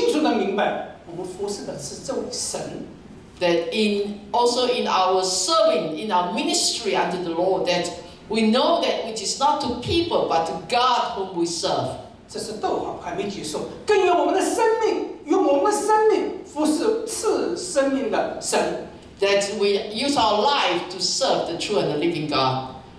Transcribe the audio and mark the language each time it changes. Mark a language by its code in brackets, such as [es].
[zh] 更让我们在服事的道路上，不要服事颠，盲目地跟随，还要清楚地明白，我们服事的是这位神。 [en] That in also in our serving, in our ministry unto the Lord, that we know that which is not to people, but to God whom we serve. [zh] 这是逗号还没结束，更用我们的生命，用我们的生命服侍赐生命的神。 [en] That we use our life to serve the true and the living God.